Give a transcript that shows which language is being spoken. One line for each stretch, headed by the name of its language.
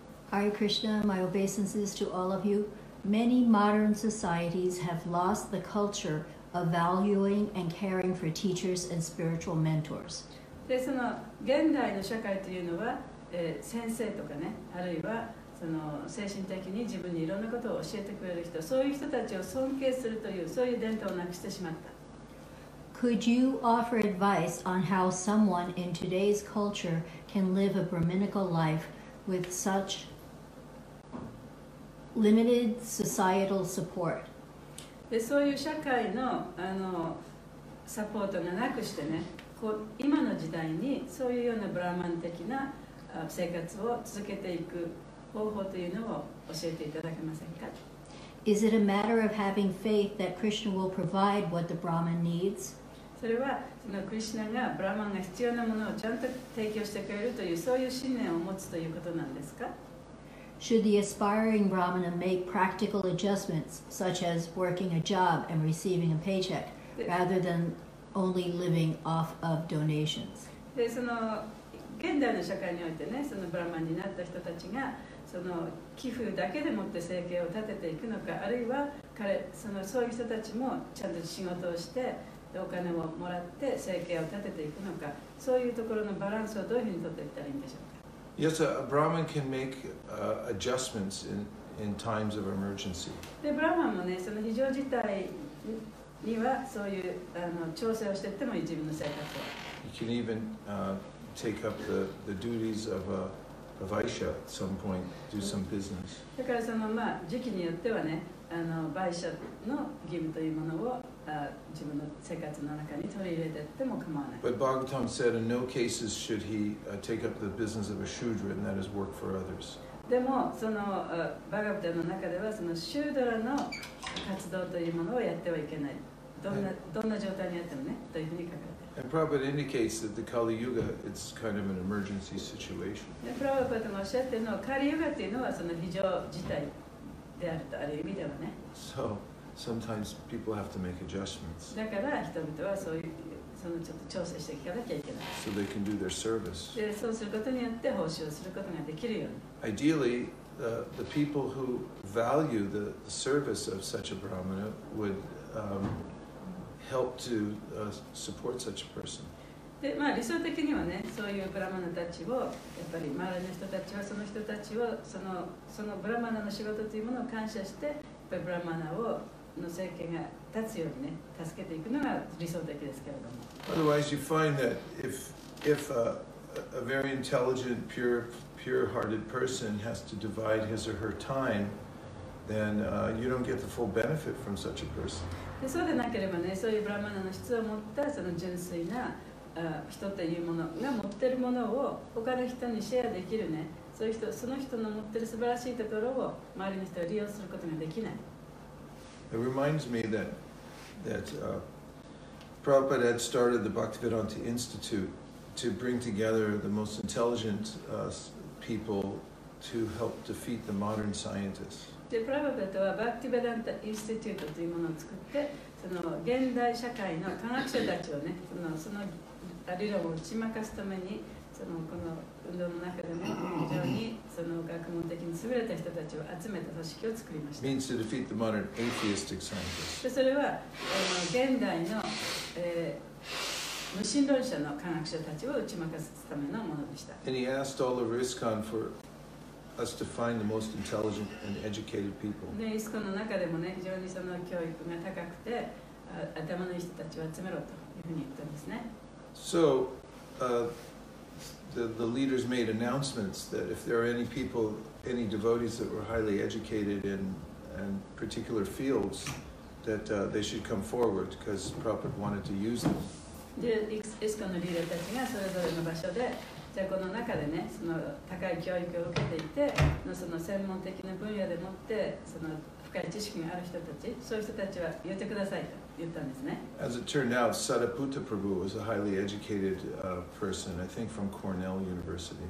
English: Hare Krishna, my obeisances to all of you. Many modern societies have lost the culture of valuing and caring for teachers and spiritual mentors.
Japanese: で、その現代の社会というのは、先生とかね、あるいはその精神的に自分にいろんなことを教えてくれる人、そういう人たちを尊敬するというそういう伝統をなくしてしまった。
English: Could you offer advice on how someone in today's culture can live a Brahminical life with such limited societal support?
Japanese: で、そういう社会の、サポートがなくしてね、こう、今の時代にそういうようなブラーマン的な生活を続けていく。方法というのを教えていただけませんか?
English: Is it a matter of having faith that Krishna will provide what the Brahman needs?
Japanese: それはそのクリシュナがブラーマンが必要なものをちゃんと提供してくれるというそういう信念を持つということなんですか?
English: Should the aspiring Brahmana make practical adjustments such as working a job and receiving a paycheck rather than only living off of donations?
Japanese: でその現代の社会においてね、そのブラーマンになった人たちがその寄付だけでもって生計を立てていくのか、あるいは彼そういう人たちもちゃんと仕事をしてお金をもらって生計を立てていくのか、そういうところのバランスをどういうふうに取っていったらいいんでしょうか。
English: Yes, a Brahman can make adjustments in times of emergency.
Japanese: で、ブラーマンもね、その非常事態にはそういう調整をしていってもいい、自分の生活を。
English: You can even take up the duties of a vaishya at some point, do some business.
Japanese: だからそのまあ時期によってはね、vaishya の義務というものを自分の生活の中に取り入れていっても構わない。
English: But Bhagavatam said, in no cases should he take up the business of a shudra, and that is work for others.
Japanese: でもそのバガブタの中ではそのシュードラの活動というものをやってはいけない。どんな状態にあってもね、というふうに書かれて。
English: And Prabhupada indicates that the Kali Yuga is kind of an emergency situation.
Japanese: Prabhupada もおっしゃってるの、カリユガっていうのはその非常事態であるとある意味ではね。
English: So sometimes people have to make adjustments.
Japanese: だから人々はそういうそのちょっと調整していかなきゃいけない。
English: So they can do their service.
Japanese: で、そうすることによって奉仕をすることができるように。
English: Ideally, the people who value the service of such a brahmana would help to support such a person.
Japanese: で、まあ理想的にはね、そういうブラマナたちをやっぱり周りの人たちはその人たちをそのブラマナの仕事というものを感謝して、やっぱりブラマナをの政権が立つようにね、助けていくのが理想的ですけれども。
English: Otherwise, you find that if a very intelligent, pure-hearted person has to divide his or her time, then you don't get the full benefit from such a person.
Japanese: でそうでなければね、そういうブラマナの質を持ったその純粋な人というものが持ってるものを他の人にシェアできるね、そういう人、その人の持ってる素晴らしいところを周りの人を利用することができない。
English: It reminds me that Prabhupada had started the Bhaktivedanta Institute to bring together the most intelligent people to help defeat the modern scientists.
Japanese: で、プラヴァパダはバクティヴェダンタインスティテュートというものを作って、その現代社会の科学者たちをね、その理論を打ち負かすために、そのこの運動の中でも非常にその学問的に優れた人たちを集めた組織を作りました。
English: Means to defeat the modern atheistic scientists.
Japanese: で、それは現代の、無神論者の科学者たちを打ち負かすためのものでした。
English: And he asked all of ISKCON for us to find the most intelligent and educated people.
Japanese: で、ISKCONの中でもね、非常にその教育が高くて、頭のいい人たちを集めろというふうに言ったんですね。
English: So, the leaders made announcements that if there are any people, any devotees that were highly educated in particular fields, that they should come forward because Prabhupada wanted to use them.
Japanese: で、エスコのリーダーたちがそれぞれの場所で、じゃあこの中でね、その高い教育を受けていて、その専門的な分野でもって、その深い知識がある人たち、そういう人たちは言ってくださいと言ったんですね。
English: As it turned out, Sariputta Prabhu was a highly educated person, I think from Cornell University.